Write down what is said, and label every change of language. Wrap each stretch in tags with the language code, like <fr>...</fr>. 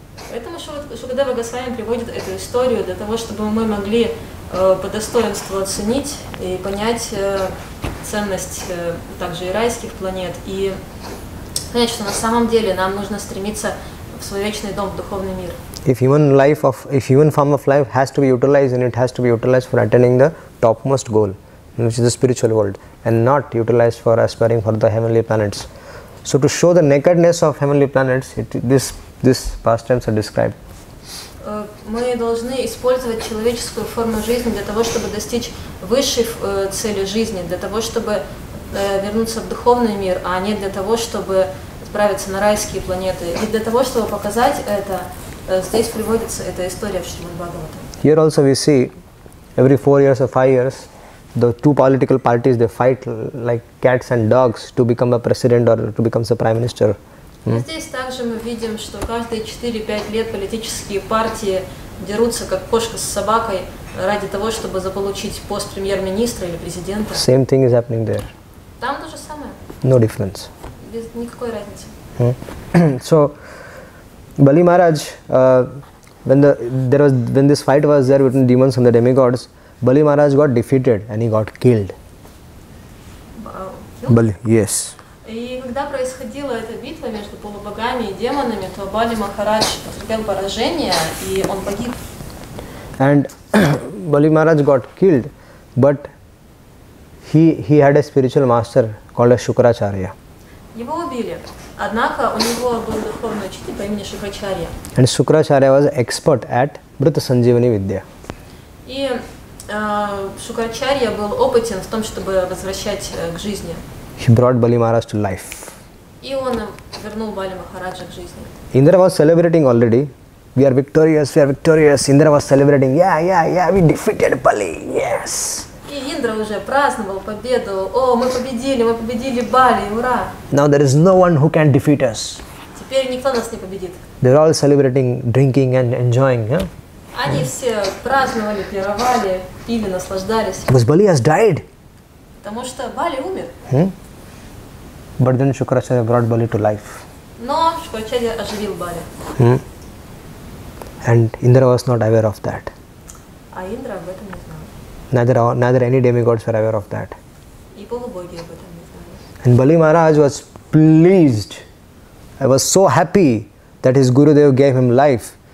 <ru>Поэтому Шукадева Госвами приводит эту историю для того, чтобы мы могли по достоинству оценить и понять ценность также и райских планет, и понять, что на самом деле нам нужно стремиться в свой вечный дом, в духовный мир.</ru> <en>If human form of life has to be utilized, then it has to be utilized for attaining the topmost goal, which is the spiritual world, and not utilized for aspiring for the heavenly planets. So to show the nakedness of heavenly planets, this pastimes are described.</en> <ru>Мы должны использовать человеческую форму жизни для того, чтобы достичь высшей цели жизни, для того, чтобы вернуться в духовный мир, а не для того, чтобы отправиться на райские планеты. И для того, чтобы показать это, здесь приводится эта история в Шримад Бхагаватам.</ru> <en>Here also we see every 4 years or 5 years the two political parties they fight like cats and dogs to become a president or to become a prime minister.</en> <ru>Здесь также мы видим, что каждые 4-5 лет политические партии дерутся как кошка с собакой ради того, чтобы заполучить пост премьер-министра или президента.</ru> <en>Same thing is happening there.</en> <ru>Там то же самое.</ru> <en>No difference.</en> <ru>Без никакой разницы.</ru> <en>So Bali Maharaj, when this fight was there between demons and the demigods, Bali Maharaj got defeated and he got killed. Bali, yes.</en> <ru>И когда происходила эта битва между полубогами и демонами, то Бали Махарадж потерпел поражение и он погиб.</ru> <en>And Bali Maharaj got killed, but he had a spiritual master called as Shukracharya.</en> <ru>Его убили. Однако у него был духовный учитель по имени Шукрачарья.</ru> <en>And Shukracharya was expert at Mrita Sanjeevani Vidya.</en> <ru>И Шукрачарья был опытен в том, чтобы возвращать к жизни.</ru> <en>He brought Bali Maharaj to life.</en> <ru>И он вернул Бали Махараджа к жизни.</ru> <en>Indra was celebrating already. We are victorious, we are victorious. Indra was celebrating. Yeah, we defeated Bali. Yes.</en> <ru>И Индра уже праздновал победу. О, мы победили Бали. Ура!</ru> <en>Now there is no one who can defeat us.</en> <ru>Теперь никто нас не победит.</ru> <en>They're all celebrating, drinking and enjoying, yeah?</en> <ru>Они все праздновали, пировали, пили, наслаждались.</ru> <en>Because Bali has died.</en> <ru>Потому что Бали умер.</ru> <en>But then Shukracharya brought Bali to life.</en> <ru>Но Шукрачарья оживил Бали.</ru> <en>And Indra was not aware of that.</en> <ru>А Индра об этом не знал.</ru> <en>Neither any demigods were aware of that.</en> <ru>И полубоги об этом не знали.</ru> <en>And Bali Maharaj was pleased. I was so happy that his Gurudev gave him life.</en>